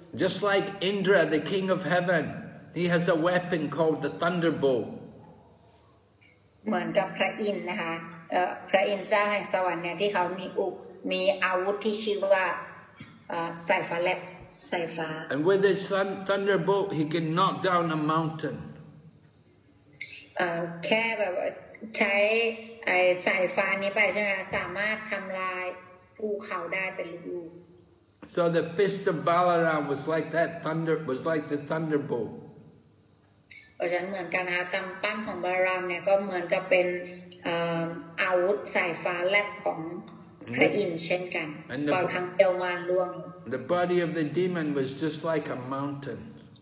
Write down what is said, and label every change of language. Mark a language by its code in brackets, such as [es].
[en] Just like Indra, the king of heaven, he has a weapon called the thunderbolt. [th] เหมือนกับพระอินทร์นะคะพระอินทร์เจ้าแห่งสวรรค์เนี่ยที่เขามีอุปมีอาวุธที่ชื่อว่าสายฟ้าแลบสายฟ้า [en] And with his thunderbolt, he can knock down a mountain. [th] แค่แบบใช้ไอ้สายฟ้านี้ไปใช่ไหมสามารถทำลายภูเขาได้เป็นลูก [en] So the fist of Balaram was like that thunder, was like the thunderbolt. The body of the demon was just like a mountain.